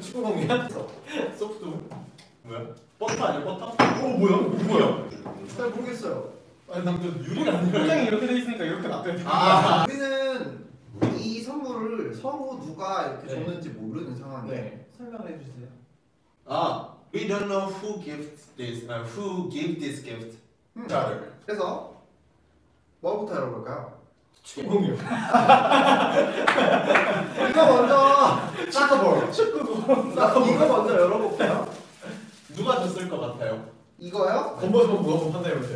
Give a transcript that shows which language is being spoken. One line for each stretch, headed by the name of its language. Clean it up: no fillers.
Korean: 축구 공이야? 소프트. 뭐야? 버터 아니야? 버터? 어 뭐야? 뭐야? 잘 모르겠어요. 아니 난 그 유리가 아니야. 현장이 이렇게 돼 있으니까 이렇게 놔둬야 돼. 아. 우리는 이 선물을 서로 누가 이렇게 네. 줬는지 모르는 상황이에요. 네. 설명해 주세요.
English: 아, we don't know who gives this, who gave this gift.
Korean: 자, 그래서 뭐부터 열어볼까요? 축구공이요. 이거 먼저 축구볼. 축구공. 이거 먼저 열어볼까요? 누가 줬을 것 같아요? 이거요? 번번 물어보면 한다 이거죠.